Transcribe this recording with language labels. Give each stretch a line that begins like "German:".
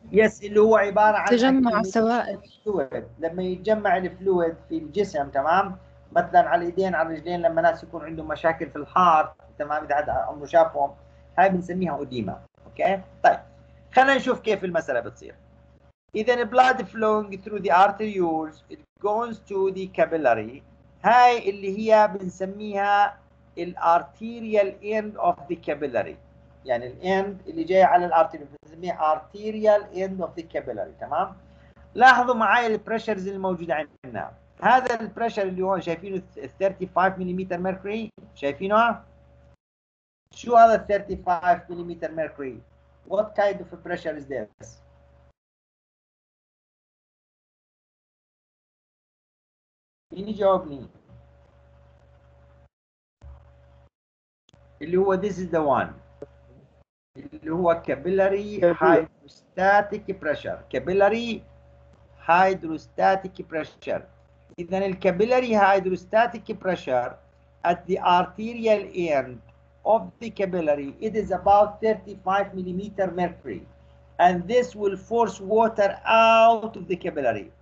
Arabic: يس، اللي هو عبارة عن تجمع سوائل. لما يتجمع الفلويد في الجسم، تمام؟ مثلا على اليدين على الرجلين، لما ناس يكون عندهم مشاكل في الحار، تمام؟ إذا حد عمره شافهم، هاي بنسميها إديما، أوكي؟ طيب، خلينا نشوف كيف المسألة بتصير.
English: إذا blood flowing through the arterioles it goes to the capillary.
Arabic: هاي اللي هي بنسميها الarterial end of the capillary، يعني الend اللي جاي على الarterial بنسميها arterial end of the capillary، تمام؟ لاحظوا معاي البريشرز الموجودة عندنا. هذا البريشر اللي هو شايفينه 35 مليمتر مركوري، شايفينه؟ شو هذا 35 مليمتر مركوري؟
English: What kind of pressure is this؟
Arabic: مين يجاوبني؟ اللي هو
English: this is the one،
Arabic: اللي هو capillary hydrostatic pressure.
English: capillary hydrostatic pressure. إذن الcapillary hydrostatic pressure at the arterial end of the capillary it is about 35 millimeter mercury and this will force water out of the capillary.